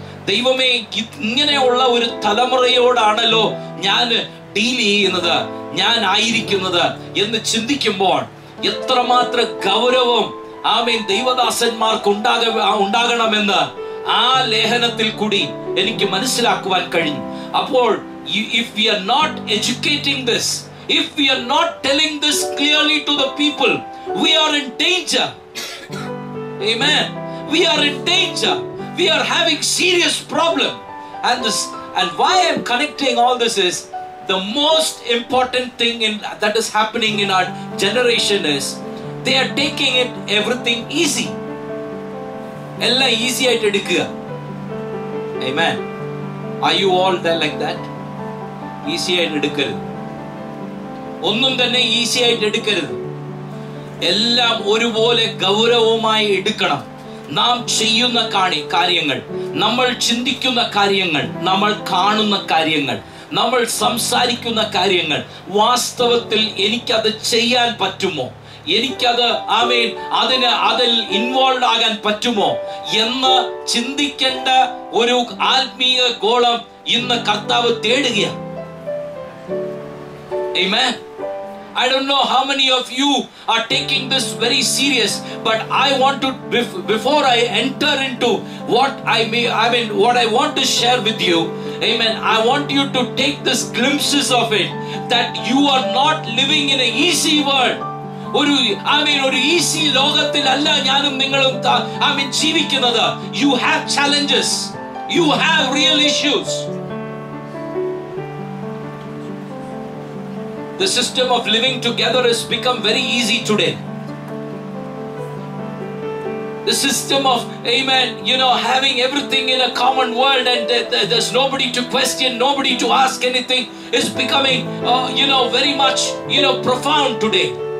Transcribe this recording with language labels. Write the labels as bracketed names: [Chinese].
[Malayalam] ദൈവമേ, ഇങ്ങനെയുള്ള ഒരു തലമുറയോടാണല്ലോ ഞാൻ ഡീൽ ചെയ്യുന്നത്, ഞാൻ ആയിരിക്കുന്നത് എന്ന് ചിന്തിക്കുമ്പോൾ എത്രമാത്രം ഗൗരവം ആമേൻ ദൈവദാസന്മാർക്ക് ഉണ്ടാകണമെന്ന് ആ ലേഖനത്തിൽ കൂടി എനിക്ക് മനസ്സിലാക്കുവാൻ കഴിഞ്ഞു. [English] അപ്പോൾ if we are not educating this, if we are not telling this clearly to the people, we are in danger. Amen. We are in danger. We are having serious problem. And this, and why I am connecting all this is, the most important thing in that is happening in our generation is, they are taking it everything easy. [Malayalam] Ella easy aayittu edukkuka. [English] Amen. Are you all there like that? [Malayalam] Easy aayittu edukkaru. Onnum thanne easy aayittu edukkaru. Ellam oru pole gauravumayi edukkanam. നാം ചെയ്യുന്ന കാര്യങ്ങൾ, നമ്മൾ ചിന്തിക്കുന്ന കാര്യങ്ങൾ, നമ്മൾ കാണുന്ന കാര്യങ്ങൾ, നമ്മൾ സംസാരിക്കുന്ന കാര്യങ്ങൾ, വാസ്തവത്തിൽ എനിക്കത് ചെയ്യാൻ പറ്റുമോ, എനിക്കത് ആമേൻ അതിന് അതിൽ ഇൻവോൾവ് ആകാൻ പറ്റുമോ എന്ന് ചിന്തിക്കേണ്ട ഒരു ആത്മീയ ഗോളം ഇന്ന് കർത്താവ് തേടുകയാണ്. ആമേൻ. [English] I don't know how many of you are taking this very serious, but I want to, before I enter into what I mean what I want to share with you, amen, I want you to take this glimpses of it, that you are not living in an easy world. [Malayalam] ഒരു easy ലോകത്തിൽ അല്ല ഞാനും നിങ്ങളും ജീവിക്കുന്നത്. [English] You have challenges, you have real issues. The system of living together has become very easy today. The system of, amen, you know, having everything in a common world and there's nobody to question, nobody to ask anything, is becoming, very much, profound today.